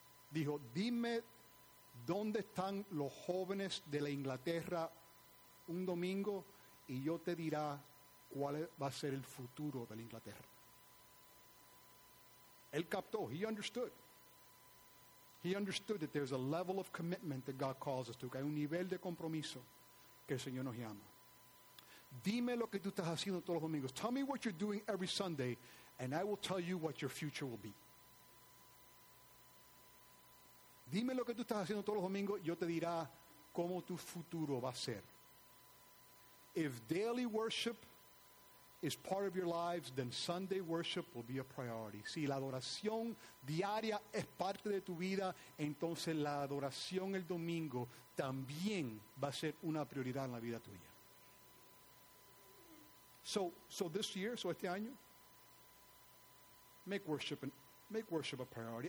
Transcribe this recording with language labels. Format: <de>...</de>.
<es>Dijo, dime dónde están los jóvenes de la Inglaterra un domingo, y yo te dirá cuál va a ser el futuro de la Inglaterra. Él captó,</es> <en>he understood. He understood that there's a level of commitment that God calls us to.</en> <es>Que hay un nivel de compromiso que el Señor nos llama. Dime lo que tú estás haciendo todos los domingos.</es> <en>Tell me what you're doing every Sunday, and I will tell you what your future will be.</en> <es>Dime lo que tú estás haciendo todos los domingos, yo te dirá cómo tu futuro va a ser.</es> <en>If daily worship is part of your lives, then Sunday worship will be a priority.</en> <es>Si la adoración diaria es parte de tu vida, entonces la adoración el domingo también va a ser una prioridad en la vida tuya.</es> <en>So this year,</en> <es>este año,</es> <en>make worship a priority.</en>